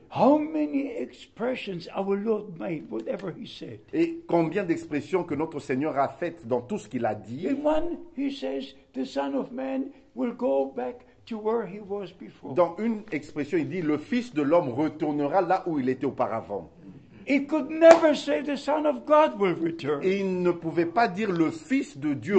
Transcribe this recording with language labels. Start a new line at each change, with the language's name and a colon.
English: How many expressions our Lord made, whatever he said.
French: Et combien d'expressions que notre Seigneur a faites dans tout ce qu'il a dit.
English: In one, he says, the Son of Man will go back to where he was before.
French: Dans une expression, il dit, le Fils de l'homme retournera là où il était auparavant.
English: He could never say the Son of God will return.
French: Et il ne pouvait pas dire le Fils de Dieu